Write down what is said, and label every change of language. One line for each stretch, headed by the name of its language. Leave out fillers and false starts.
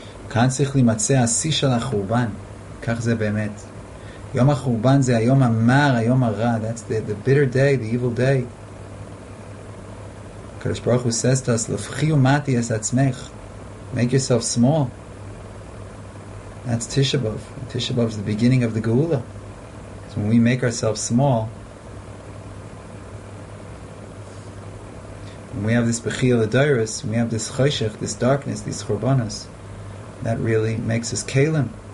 Hebrew: כאן צריך למצא השיא של החורבן. כך זה באמת. יום החורבן זה היום המר, היום הרע.
English: That's the bitter day, the evil day.
Hebrew: הקדוש ברוך הוא
English: says to us,
Hebrew: לפחי ומתי את עצמך.
English: Make yourself small. That's Tisha B'Av. Tisha B'Av is the beginning of the Geula. It's when we make ourselves small. When we have this Bechiya L'Doros, when we have this Choshech, this darkness, these Chorbanos, that really makes us Kelim.